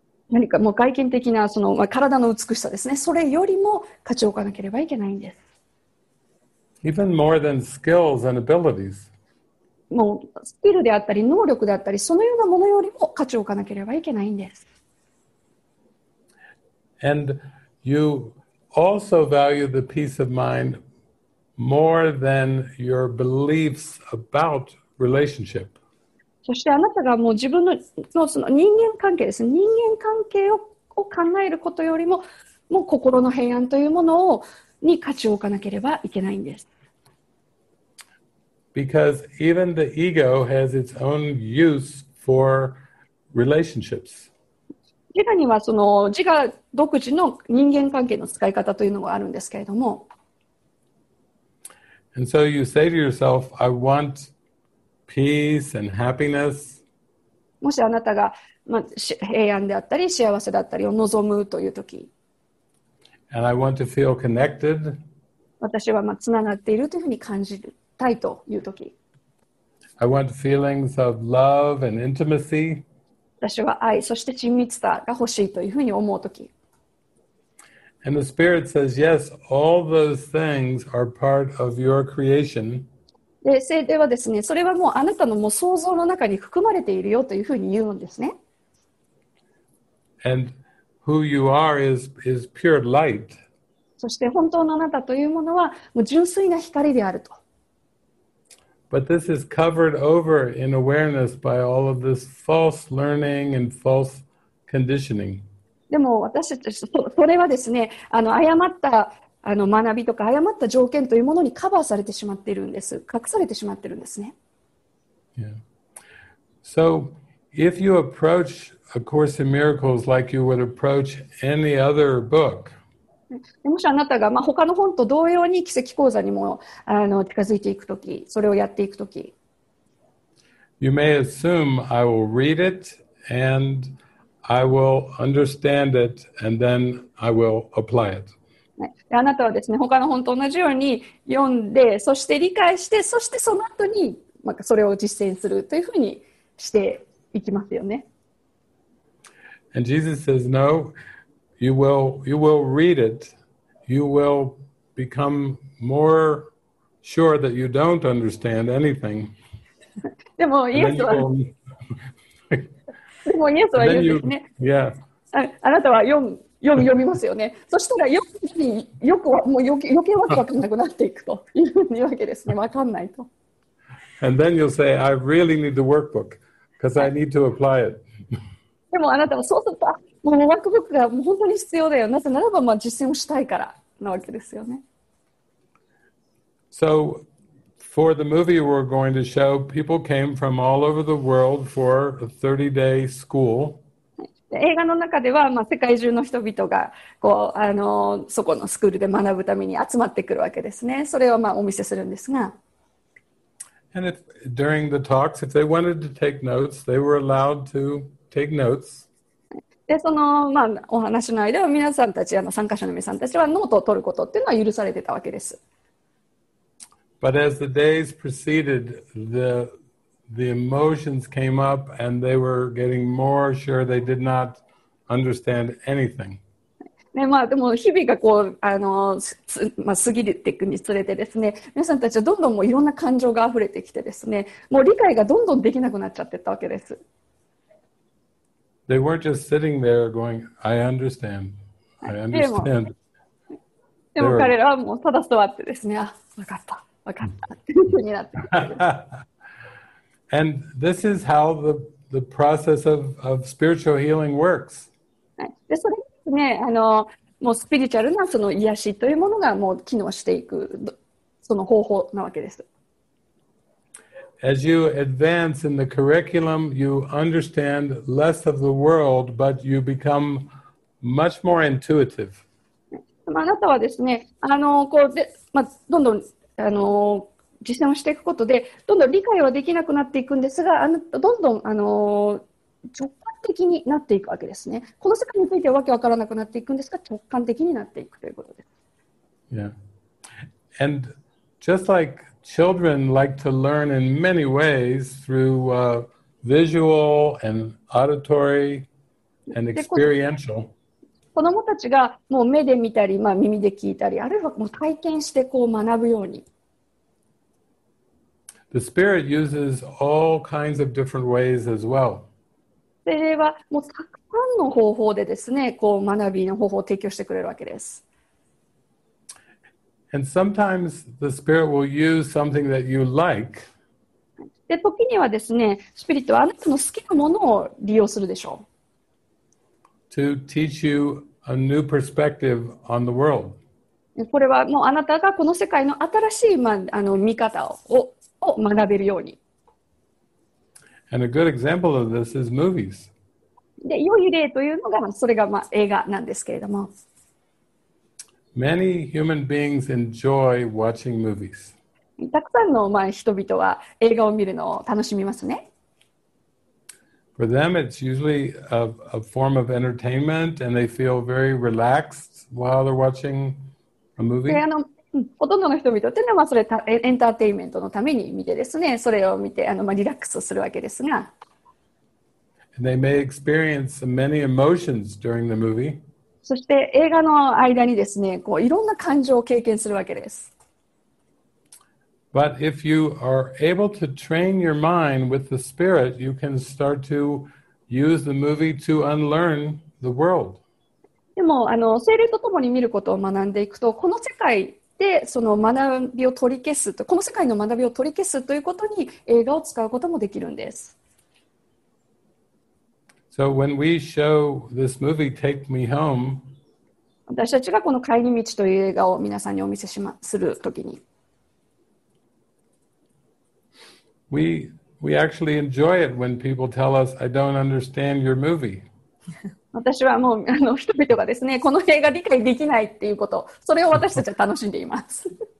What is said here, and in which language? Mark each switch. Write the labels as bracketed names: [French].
[Japanese] 何かもう外見的なその、まあ、体の美しさですね。それよりも価値を置かなければいけないんです。 [English] Even more than skills and abilities. [Japanese] もうスキルであったり能力であったりそのようなものよりも価値を置かなければいけないんです。 [English] And you also value the peace of mind more than your beliefs about relationship. [Japanese] そしてあなたがもう自分のその人間関係ですね、人間関係を考えることよりももう心の平安というものをに価値を置かなければいけないんです。 [English] Because even the ego has its own use for relationships. [Japanese] 自我にはその自我独自の人間関係の使い方というのがあるんですけれども。 [English] And so you say to yourself, I want peace and happiness. [Japanese] もしあなたが、まあ、平安であったり幸せだったりを望むというとき。 [English] And I want to feel connected. [Japanese] 私はまあつながっているというふうに感じる。という時 [English] I want feelings of love and intimacy. [Japanese] 私は愛そして親密さが欲しいというふうに思う時 [English] And the spirit says, yes, all those things are part of your creation. [Japanese] で、聖霊はですね、それはもうあなたのもう想像の中に含まれているよというふうに言うんですね。 [English] And who you are is pure light. [Japanese] そして本当のあなたというものはもう純粋な光であると。 [English] But this is covered over in awareness by all of this false learning and false conditioning. [Japanese] でも私たちそれはですね、誤った学びとか誤った条件というものにカバーされてしまっているんです。隠されてしまっているんですね。 [English] Yeah. So if you approach A Course in Miracles like you would approach any other book, [Japanese] もしあなたが、まあ、他の本と同様に奇跡講座にも近づいていくとき、それをやっていくとき、 [English] You may assume I will read it and I will understand it and then I will apply it. [Japanese] あなたはですね、他の本と同じように読んで、そして理解して、そしてその後に、まあ、それを実践するというふうにしていきますよね。 [English] And Jesus says no. You will read it. You will become more sure that you don't understand anything. [Japanese] でもイエスは、でもイエスは言うんですね。 [English] Yeah. [Japanese] あなたは読みますよね。そしたらよくもう余計わけわかんなくなっていくというわけですね。わかんないと。 [English] And then you'll say, I really need the workbook because I need to apply it. [Japanese] でもあなたはそうすると。もうワークブックが本当に必要だよ。なぜならば、まあ、実践をしたいからなわけですよね。 [English] So, for the movie we're going to show, people came from all over the world for a 30-day school. [Japanese] 映画の中では、まあ、世界中の人々がこうそこのスクールで学ぶために集まってくるわけですね。それを、まあ、お見せするんですが。 [English] And if, during the talks, if they wanted to take notes, they were allowed to take notes. [Japanese] でその、まあ、お話の間は皆さんたち参加者の皆さんたちはノートを取ることっていうのは許されてたわけです。 [English] But as the days proceeded, the emotions came up and they were getting more sure they did not understand anything. [Japanese] で、まあ、でも日々がこう過ぎていくにつれてですね、皆さんたちはどんどんもういろんな感情が溢れてきてですね、もう理解がどんどんできなくなっちゃってたわけです。 [English] They weren't just sitting there going, I understand. I understand. [Japanese] でも彼らはもうただ座ってですね、あ、分かった、分かったっていうふうになって。 [English] And this is how the process of spiritual healing works. [Japanese] で、それね、もうスピリチュアルなその癒しというものがもう機能していく、その方法なわけです。 [English] As you advance in the curriculum, you understand less of the world, but you become much more intuitive. [Japanese] あなたはですね、こうで、まあ、どんどん、実践をしていくことで、どんどん理解はできなくなっていくんですが、どんどん、直感的になっていくわけですね。この世界についてはわけわからなくなっていくんですが、直感的になっていくということです。 [English] Yeah. And just like children like to learn in many ways through visual and auditory and experiential. [Japanese] 子どもたちがもう目で見たり、まあ、耳で聞いたり、あるいはもう体験してこう学ぶように。 [English] The spirit uses all kinds of different ways as well. [Japanese] 精霊はもうたくさんの方法でですね、こう学びの方法を提供してくれるわけです。 [English] And sometimes the spirit will use something that you like. [Japanese] で、時にはですね、スピリットはあなたの好きなものを利用するでしょう。 [English] To teach you a new perspective on the world. [Japanese] これはもうあなたがこの世界の新しい、ま、見方 を学べるように。 [English] And a good example of this is movies. [Japanese] で、良い例というのが、それが、ま、映画なんですけれども。 [English] Many human beings enjoy watching movies. [Japanese] たくさんの、ま、人々は映画を見るのを楽しみますね。 [English] For them, it's usually a form of entertainment, and they feel very relaxed while they're watching a movie. [Japanese] で、ほとんどの人々というのは、それエンターテインメントのために見てですね、それを見て、まあ、リラックスするわけですが。 [English] And they may experience many emotions during the movie. [Japanese] そして映画の間にですね、こういろんな感情を経験するわけです。 [English] But if you are able to train your mind with the spirit, you can start to use the movie to unlearn the world. [Japanese] でも、精霊とともに見ることを学んでいくと、この世界でその学びを取り消すと、この世界の学びを取り消すということに映画を使うこともできるんです。 [English] So when we show this movie, Take Me Home, [Japanese] 私たちがこの帰り道という映画を皆さんにお見せしま、するときに、 [English] We actually enjoy it when people tell us, I don't understand your movie. [Japanese] 私はもう人々がですね、この映画理解できないっていうこと、それを私たちは楽しんでいます。